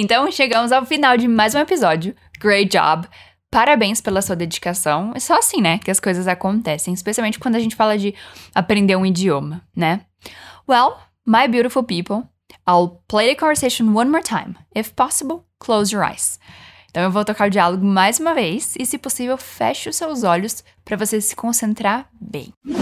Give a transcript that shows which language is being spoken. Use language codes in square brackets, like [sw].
[pt] Então chegamos ao final de mais um episódio. [en] Great job! [pt] Parabéns pela sua dedicação. É só assim, né, que as coisas acontecem, especialmente quando a gente fala de aprender um idioma, né? [en] Well, my beautiful people, I'll play the conversation one more time. If possible, close your eyes. [pt] Então eu vou tocar o diálogo mais uma vez e, se possível, feche os seus olhos para você se concentrar bem.